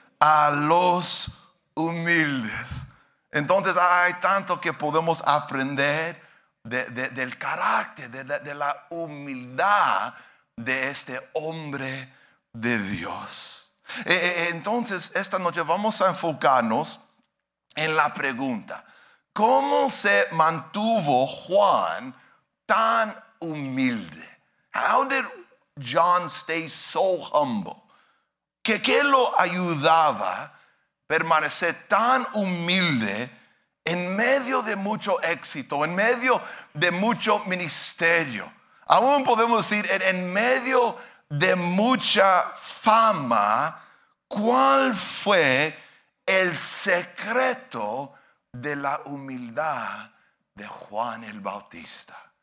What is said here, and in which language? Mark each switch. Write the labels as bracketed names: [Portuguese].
[Spanish] A los humildes. Entonces hay tanto que podemos aprender del carácter, de la humildad de este hombre de Dios. Entonces esta noche vamos a enfocarnos en la pregunta: ¿cómo se mantuvo Juan tan humilde? [English] How did John stay so humble? [Spanish] ¿Qué lo ayudaba a permanecer tan humilde en medio de mucho éxito, en medio de mucho ministerio? Aún podemos decir en medio de mucha fama, ¿cuál fue el secreto de la humildad de Juan el Bautista?